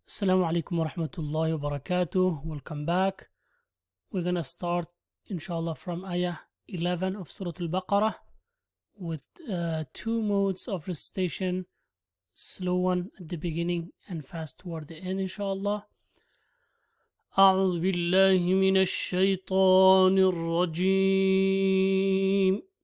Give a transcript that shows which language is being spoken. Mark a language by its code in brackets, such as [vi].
[ar] السلام عليكم ورحمة الله وبركاته. [en] Welcome back. We're gonna start inshallah from ayah 11 of Surah Al-Baqarah with two modes of recitation, slow one at the beginning and fast toward the end inshallah. [ar] أعوذ بالله من الشيطان الرجيم.